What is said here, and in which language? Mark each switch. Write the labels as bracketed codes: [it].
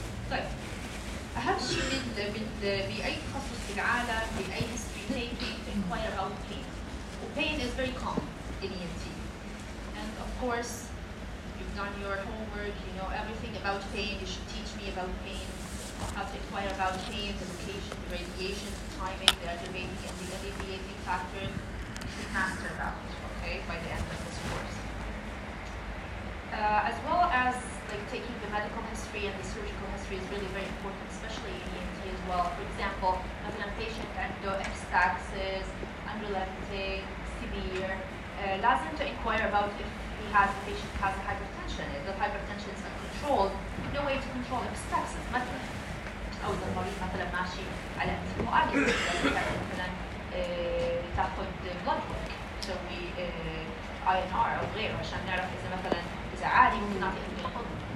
[ar] طيب أهم شيء بأي تخصص في العالم بأي [en] history taking to inquire about pain. And pain is very common in ENT. And of course, you've done your homework, you know everything about pain, you should teach me about pain. How to inquire about pain, the location, the radiation, the timing, the aggravating and the alleviating factor. You master that, okay, by the end of this course. As well as like taking the medical history and the surgical history is really very important, especially in ENT as well. For example, when a patient undergoes epistaxis, unrelenting, severe, lazim to inquire about if he has, the patient has a hypertension. If the hypertension is uncontrolled, no way to control epistaxis. [ar] أو إذا المريض مثلاً ماشي على أنتيبيوتيك مثلاً تأخذ بلود ورك، تسوي آي إن آر أو غيره عشان نعرف إذا مثلاً إذا عادي ممكن نعطي أنتيبيوتيك.